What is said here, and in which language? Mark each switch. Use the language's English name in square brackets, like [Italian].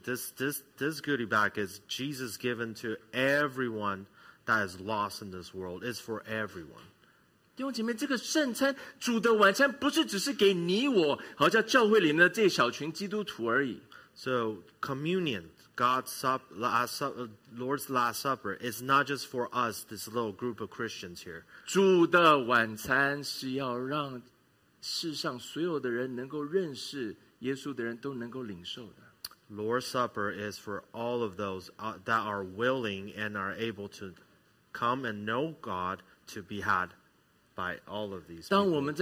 [English] This goodie bag is Jesus given to everyone that is lost in this world. It's for everyone. [Chinese] 弟兄姐妹，这个圣餐，主的晚餐，不是只是给你我，好像教会里面的这小群基督徒而已。So [English] communion. God's Lord's Last Supper is not just for us, this little group of Christians here. [Chinese] 主的晚餐是要让世上所有的人能够认识耶稣的人都能够领受的。Lord's [English] Supper is for all of those that are willing and are able to come and know God to be had by all of these people.